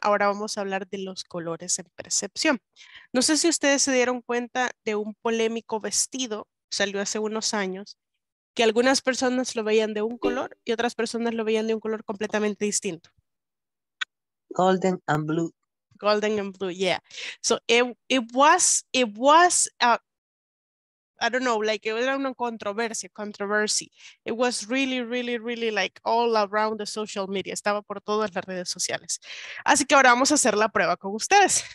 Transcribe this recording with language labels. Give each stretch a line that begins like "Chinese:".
Spanish: Ahora vamos a hablar de los colores en percepción. No sé si ustedes se dieron cuenta de un polémico vestido, salió hace unos años, que algunas personas lo veían de un color y otras personas lo veían de un color completamente distinto.
English: Golden and blue. Golden and blue, yeah. So it was I don't know, like it was a controversy. It was really, really, really like all around the social media.
Spanish: Estaba por todas las redes sociales. Así que ahora vamos a hacer la prueba con ustedes.